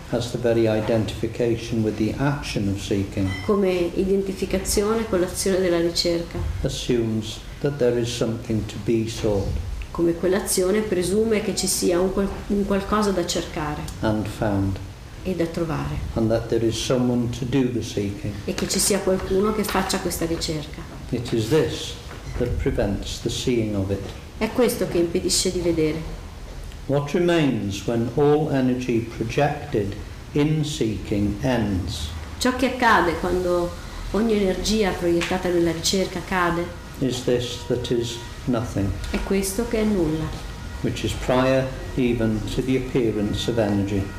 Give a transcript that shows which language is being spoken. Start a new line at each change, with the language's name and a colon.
English: as the very identification with the action of seeking
Italian: come identificazione con l'azione della ricerca
English: assumes that there is something to be sought
Italian: come quell'azione presume che ci sia un qualcosa da cercare
English: and found
Italian: e da trovare
English: and that there is someone to do the seeking
Italian: e che ci sia qualcuno che faccia questa ricerca
English: it is this that prevents the seeing of it
Italian: è questo che impedisce di vedere
English: what remains when all energy projected in seeking ends
Italian: ciò che accade quando ogni energia proiettata nella ricerca cade
English: is this that is nothing
Italian: è questo che è nulla
English: which is prior even to the appearance of energy